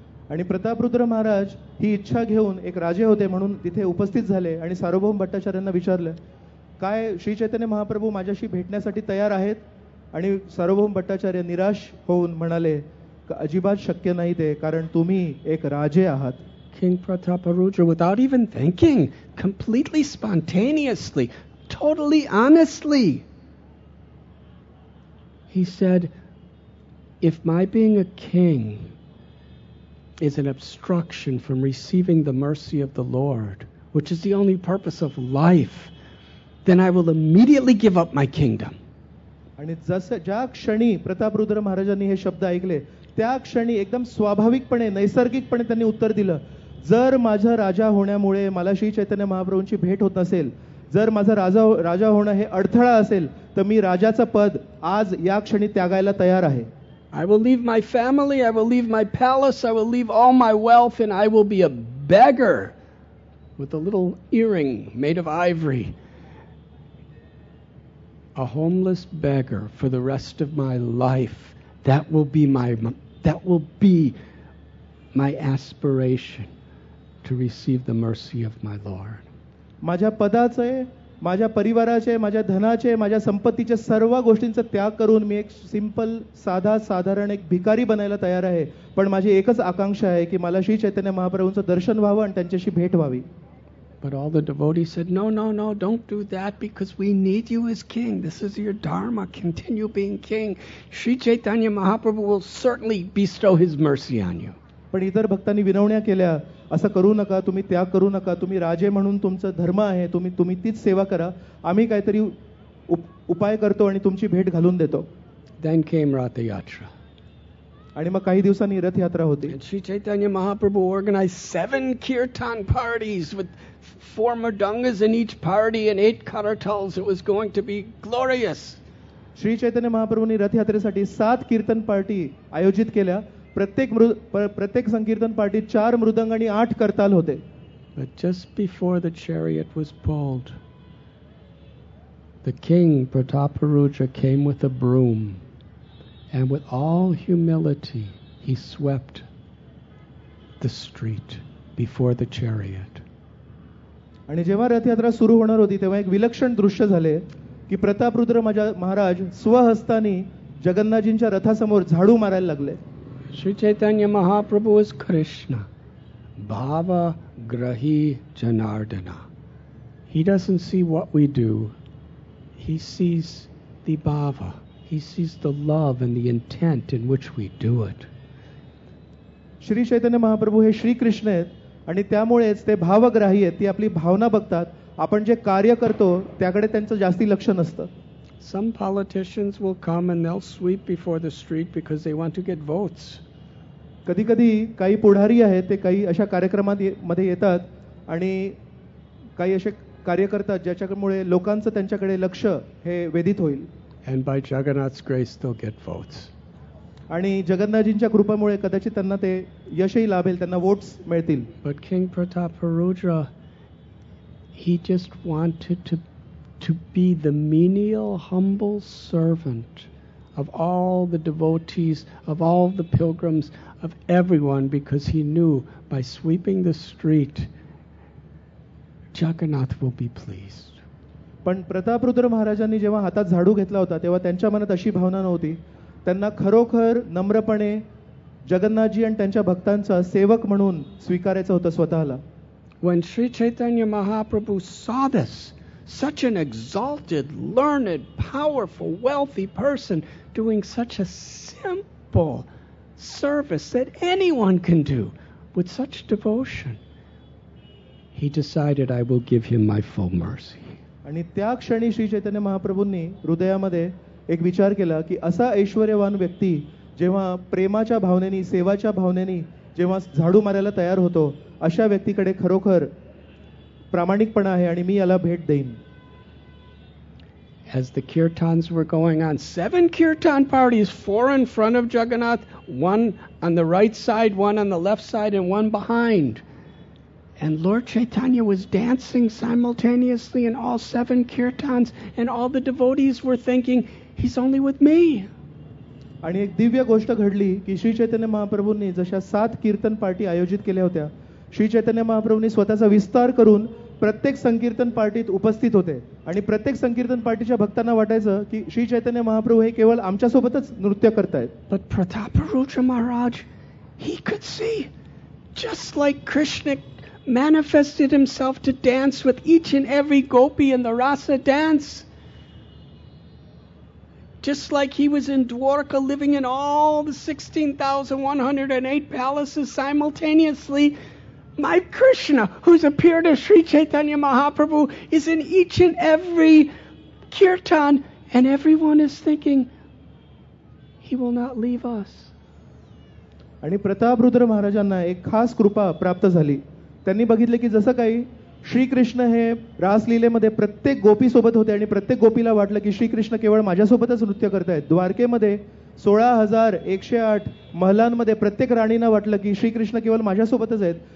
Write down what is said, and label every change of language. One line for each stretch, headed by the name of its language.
Marathi: आणि प्रतापरुद्र महाराज ही इच्छा घेऊन एक राजे होते म्हणून तिथे उपस्थित झाले आणि सार्वभौम भट्टाचार्यांना विचारलं, काय श्री चैतन्य महाप्रभू माझ्याशी भेटण्यासाठी तयार आहेत? आणि सार्वभौम भट्टाचार्य निराश होऊन म्हणाले, अजिबात शक्य नाही ते, कारण तुम्ही एक राजे आहात.
English: King Prataparudra without even thinking completely spontaneously totally honestly he said, if my being a king is an obstruction from receiving the mercy of the Lord, which is the only purpose of life, then I will immediately give up my kingdom.
Marathi: आणि जसे ज्या क्षणी प्रतापरुद्र महाराजांनी हे शब्द ऐकले त्या क्षणी एकदम स्वाभाविकपणे नैसर्गिकपणे त्यांनी उत्तर दिलं, जर माझा राजा होण्यामुळे मला श्री चैतन्य महाप्रभूंची भेट होत नसेल, जर माझा राजा होणं हे अडथळा असेल, तर मी राजाचं पद आज या क्षणी त्यागायला तयार आहे.
English: I will leave my family, I will leave my palace, I will leave all my wealth, and I will be a beggar with a little earring made of ivory. A homeless beggar for the rest of my life. That will be my aspiration to receive the mercy of my Lord.
Marathi: माझ्या पदाचे, माझ्या परिवाराचे, माझ्या धनाचे, माझ्या संपत्तीचे सर्व गोष्टींचा त्याग करून मी एक सिंपल साधा साधारण एक भिकारी बनायला तयार आहे, पण माझी एकच आकांक्षा आहे की मला श्री चैतन्य महाप्रभूंचं दर्शन व्हावं आणि त्यांच्याशी भेट व्हावी.
English: But all the devotees said, no, no, no, don't do that because we need you as king. This is your dharma. Continue being king. Sri Chaitanya Mahaprabhu will certainly bestow his mercy on you.
Marathi: पण इतर भक्तांनी विनवण्या केल्या, असं करू नका, तुम्ही त्याग करू नका, तुम्ही राजे म्हणून तुमचं धर्म आहे, तुम्ही तीच सेवा करा, आम्ही काहीतरी उपाय करतो आणि तुमची भेट घालून देतो.
English: Then came Ratha Yatra.
Marathi: आणि मग काही दिवसांनी रथयात्रा होती.
English: Shri Chaitanya Mahaprabhu organise 7 kirtan parties with 4 mridangas in each party and 8 kartals. It was going to be glorious.
Marathi: Shri Chaitanya महाप्रभूंनी रथयात्रेसाठी 7 kirtan party आयोजित केल्या. प्रत्येक संकीर्तन पार्टीत 4 मृदंग आणि 8 करताल होते.
English: But just before the chariot was pulled, the king Prataparudra came with a broom and with all humility he swept the street before the chariot.
Marathi: आणि जेव्हा रथयात्रा सुरू होणार होती तेव्हा एक विलक्षण दृश्य झाले की प्रतापरुद्र महाराज स्वहस्तानी जगन्नाथजींच्या रथासमोर झाडू मारायला लागले.
English: Sri Chaitanya Mahaprabhu is Krishna, Bhava Grahi Janardana. He doesn't see what we do. He sees the Bhava, He sees the love and the intent in which we do it.
Marathi: Shri Chaitanya Mahaprabhu हे श्री कृष्ण आहेत आणि त्यामुळेच ते भावग्राही आहेत ती आपली भावना बघतात आपण जे कार्य करतो त्याकडे त्यांचं जास्ती लक्ष नसतं.
English: Some politicians will come and they'll sweep before the street because they want to get votes.
Marathi: कधी कधी काही पुढारी आहेत ते काही अशा कार्यक्रमांमध्ये येतात आणि काही असे कार्य करतात ज्याच्यामुळे लोकांचं त्यांच्याकडे लक्ष हे वेधित होईल.
English: And by Jagannath's grace they'll get votes.
Marathi: आणि जगन्नाथजींच्या कृपेमुळे कदाचित त्यांना ते यशही लाभेल त्यांना वोट्स मिळतील.
English: But King Pratap Rudra, he just wanted to be the menial humble servant of all the devotees, of all the pilgrims, of everyone, because he knew by sweeping the street Jagannath will be pleased.
Marathi: पण प्रताप रुद्र महाराजांनी जेव्हा हातात झाडू घेतला होता तेव्हा त्यांच्या मनात अशी भावना नव्हती. त्यांना खरोखर नम्रपणे जगन्नाथजी आणि त्यांच्या भक्तांचा सेवक म्हणून स्वीकारायचं होतं स्वतःला.
English: When Sri Chaitanya Mahaprabhu saw this, such an exalted, learned, powerful, wealthy person doing such a simple service that anyone can do with such devotion, he decided, I will give him my full mercy.
Marathi: आणि त्या क्षणी श्री चैतन्य महाप्रभूंनी हृदयामध्ये एक विचार केला की असा ऐश्वर्यवान व्यक्ती जेव्हा प्रेमाच्या भावनेनी सेवाच्या भावनेनी जेव्हा झाडू मारायला तयार होतो अशा व्यक्तीकडे खरोखर प्रामाणिकपणा आहे आणि मी याला भेट देईन.
English: As the kirtans were going on, 7 kirtan parties, 4 in front of Jagannath, 1 on the right side, 1 on the left side and 1 behind. And Lord Chaitanya was dancing simultaneously in all 7 kirtans and all the devotees were thinking, he's only with me.
Marathi: आणि एक दिव्य गोष्ट घडली की श्री चैतन्य महाप्रभूंनी जशा 7 कीर्तन party आयोजित केल्या होत्या श्री चैतन्य महाप्रभूंनी स्वतःचा विस्तार करून प्रत्येक संकीर्तन पार्टीत उपस्थित होते आणि प्रत्येक संकीर्तन पार्टीच्या भक्तांना वाटायचं की श्री चैतन्य महाप्रभू हे केवळ आमच्यासोबतच नृत्य करतायत.
English: But Pratap Rudra Maharaj, he could see just like Krishna manifested himself to dance with each and every gopi in the rasa dance, just like he was in Dwarka living in all the 16,108 palaces simultaneously, my Krishna, who's appeared as Sri Chaitanya Mahaprabhu, is in each and every kirtan, and everyone is thinking, he will not leave us.
Marathi: आणि प्रताप रुद्र महाराजांना एक खास कृपा प्राप्त झाली. त्यांनी बघितले की जसं काही श्रीकृष्ण हे रासलीलेमध्ये प्रत्येक गोपी सोबत होते आणि प्रत्येक गोपीला वाटलं की श्रीकृष्ण केवळ माझ्यासोबतच नृत्य करतायत. द्वारकेमध्ये 16,108 महलांमध्ये प्रत्येक राणीना वाटलं की श्रीकृष्ण केवळ माझ्यासोबतच आहेत.